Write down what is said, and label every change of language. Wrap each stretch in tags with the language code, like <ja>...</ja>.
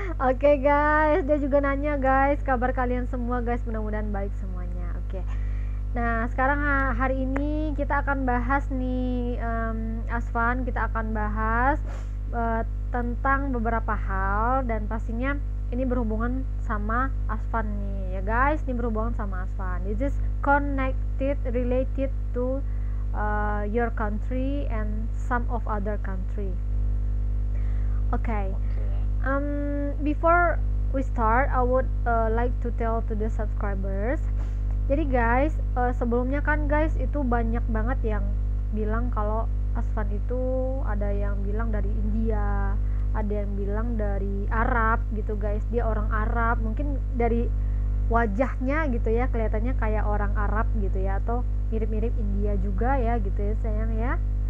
<id>Oke, guys, dia juga nanya, guys, kabar kalian semua, guys, mudah-mudahan baik semuanya. Oke. Nah, sekarang hari ini kita akan bahas nih, Asfan, kita akan bahas tentang beberapa hal, dan pastinya ini berhubungan sama Asfan nih, ya guys, ini berhubungan sama Asfan.</id> <en>This is connected, related to your country and some of other country. Okay. Before we start, I would like to tell to the subscribers.</en> <id>Jadi guys, sebelumnya kan guys itu banyak banget yang bilang kalau Asfan itu ada yang bilang dari India, ada yang bilang dari Arab gitu guys. Dia orang Arab, mungkin dari wajahnya gitu ya kelihatannya kayak orang Arab gitu ya, atau mirip-mirip India juga ya gitu ya sayang ya.</id>